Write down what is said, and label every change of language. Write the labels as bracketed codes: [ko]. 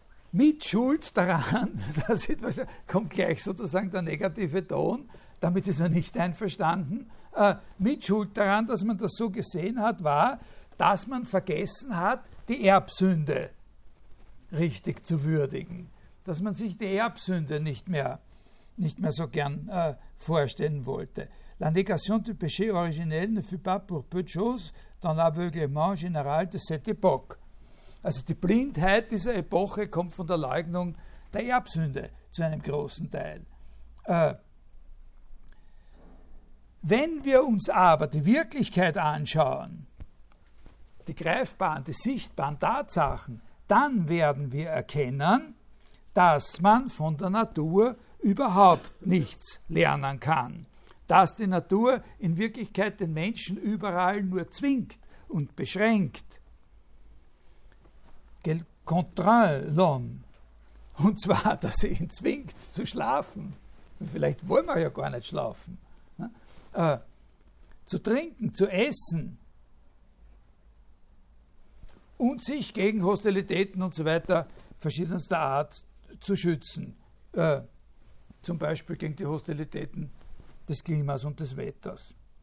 [de] Mit Schuld daran, das kommt gleich sozusagen der negative Ton, damit ist er nicht einverstanden, mit Schuld daran, dass man das so gesehen hat, war, dass man vergessen hat, die Erbsünde richtig zu würdigen. Dass man sich die Erbsünde nicht mehr so gern vorstellen wollte. [fr] La négation du péché originel ne fut pas pour peu de choses dans l'aveuglement général de cette époque. [de] Also die Blindheit dieser Epoche kommt von der Leugnung der Erbsünde zu einem großen Teil. Wenn wir uns aber die Wirklichkeit anschauen, die greifbaren, die sichtbaren Tatsachen, dann werden wir erkennen, dass man von der Natur überhaupt nichts lernen kann. Dass die Natur in Wirklichkeit den Menschen überall nur zwingt und beschränkt. [fr] Qu'elle contraint l'homme. [de] Und zwar, dass sie ihn zwingt zu schlafen. Vielleicht wollen wir ja gar nicht schlafen. Zu trinken, zu essen. Und sich gegen Hostilitäten und so weiter verschiedenster Art zu schützen, zum Beispiel gegen die Hostilitäten des Klimas und des Wetters.